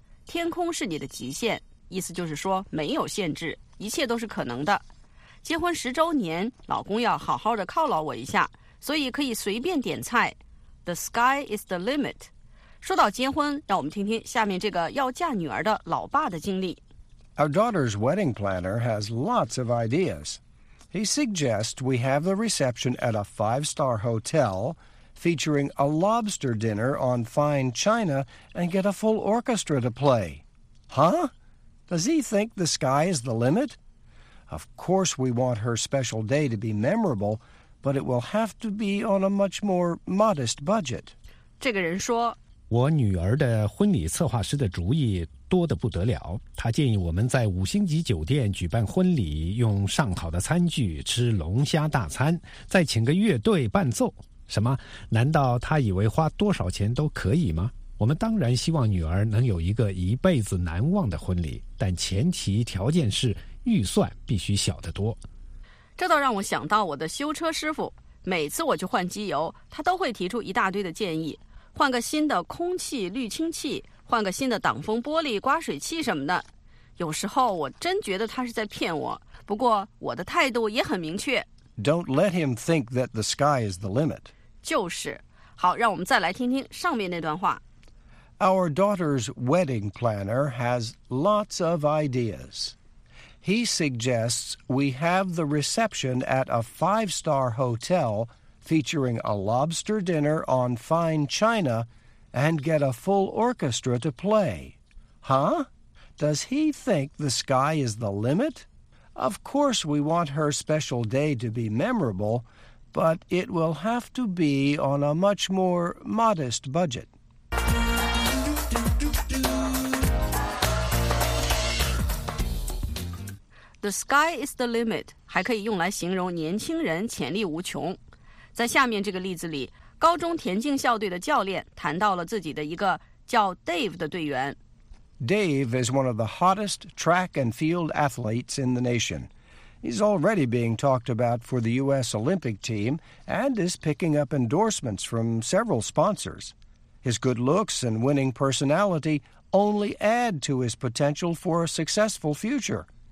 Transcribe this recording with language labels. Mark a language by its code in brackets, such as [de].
[zh] 天空是你的极限，意思就是说没有限制，一切都是可能的。结婚10周年，老公要好好的犒劳我一下。所以可以随便点菜。 [en] The sky is the limit. [zh] 说到结婚，让我们听听下面这个要嫁女儿的老爸的经历。 [en] Our daughter's wedding planner has lots of ideas. He suggests we have the reception at a 5-star hotel, featuring a lobster dinner on fine china, and get a full orchestra to play. Huh? Does he think the sky is the limit? Of course we want her special day to be memorable,But it will have to be on a much more modest budget. [zh] 这个人说，我女儿的婚礼策划师的主意多得不得了。他建议我们在5星级酒店举办婚礼，用上好的餐具，吃龙虾大餐，再请个乐队伴奏。什么？难道他以为花多少钱都可以吗？我们当然希望女儿能有一个一辈子难忘的婚礼，但前提条件是预算必须小得多。这倒让我想到我的修车师傅，每次我去换机油，他都会提出一大堆的建议，换个新的空气滤清器，换个新的挡风玻璃刮水器什么的。有时候我真觉得他是在骗我，不过我的态度也很明确。 [en] Don't let him think that the sky is the limit. [zh] 就是。好，让我们再来听听上面那段话。 [en] Our daughter's wedding planner has lots of ideas. He suggests we have the reception at a 5-star hotel featuring a lobster dinner on fine china and get a full orchestra to play. Huh? Does he think the sky is the limit? Of course we want her special day to be memorable, but it will have to be on a much more modest budget. The sky is the limit [zh] 还可以用来形容年轻人潜力无穷。在下面这个例子里，高中田径校队的教练谈到了自己的一个叫 Dave 的队员。 [en] Dave is one of the hottest track and field athletes in the nation. He's already being talked about for the U.S. Olympic team and is picking up endorsements from several sponsors. His good looks and winning personality only add to his potential for a successful future.